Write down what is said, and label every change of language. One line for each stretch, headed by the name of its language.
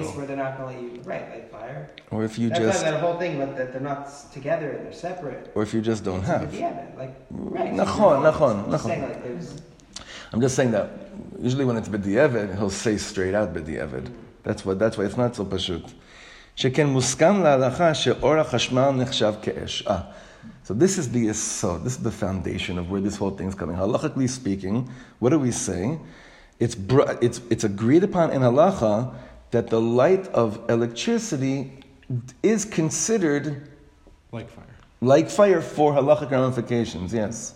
English: Place where they're not going to let you light fire. Or if you just that whole thing, but that they're not together and they're separate. Or if you just don't have.
Hebrew: Nachon.
English: I'm just saying that usually when it's b'di'eved, he'll say straight out b'di'eved. That's why it's not so pashut.
Hebrew: שכן מוסכם להלכה שאור החשמל נחשב כאש.
English: So this is the yesod, this is the foundation of where this whole thing is coming. Halachically speaking, what do we say? It's agreed upon in halacha that the light of electricity is considered like fire. Like fire for halachic ramifications, yes.